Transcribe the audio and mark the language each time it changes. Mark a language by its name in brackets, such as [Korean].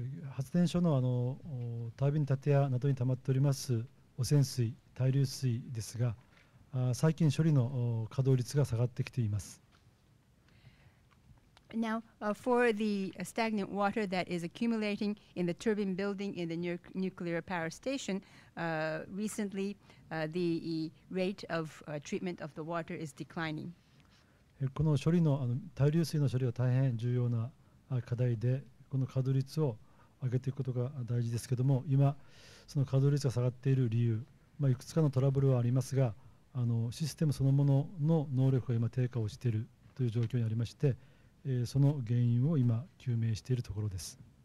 [Japanese] 発電所 のタービン建屋などに溜まっております汚染水、滞留水ですが、最近処理の稼働率が下がってきています。 [English] Now, for the stagnant water that is accumulating in the turbine building in the nuclear power station, recently the rate of treatment of the water is declining. [Japanese] この処理の、滞留水の処理は大変重要な課題で、この稼働率を上げていくことが大事ですけれども、今、その稼働率が下がっている理由、いくつかのトラブルはありますが、システムそのものの能力が今、低下をしているという状況にありまして、その原因を今究明しているところです。